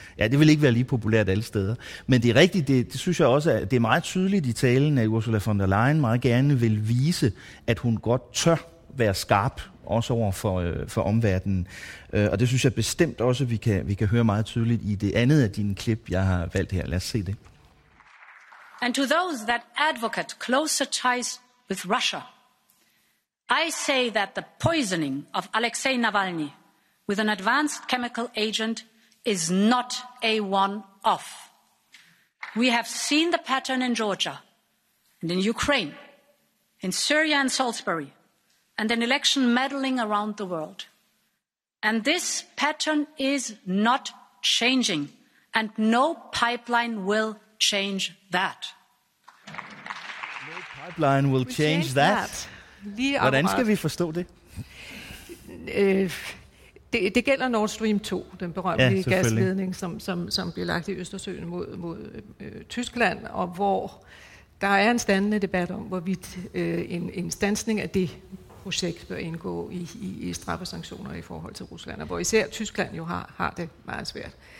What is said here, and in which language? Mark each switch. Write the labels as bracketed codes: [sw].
[da] Ja, det vil ikke være lige populært alle steder. Men det er rigtigt, det synes jeg også, at det er meget tydeligt i talen, at Ursula von der Leyen meget gerne vil vise, at hun godt tør være skarp, også over for omverdenen. Og det synes jeg bestemt også, at vi kan høre meget tydeligt i det andet af dine klip, jeg har valgt her. Lad os se det. [en] And to those that advocate closer ties with Russia, I say that the poisoning of Alexei Navalny with an advanced chemical agent is not a one-off. We have seen the pattern in Georgia and in Ukraine, in Syria and Salisbury, and an election meddling around the world. And this pattern is not changing, and no pipeline will change that. Pipeline will change that. [da] Hvordan skal vi forstå det? Det gælder Nord Stream 2, den berømte gasledning, som bliver lagt i Østersøen mod Tyskland, og hvor der er en standende debat om, hvorvidt en standsning af det projekt bør indgå i straffesanktioner i forhold til Rusland, og hvor især Tyskland jo har det meget svært.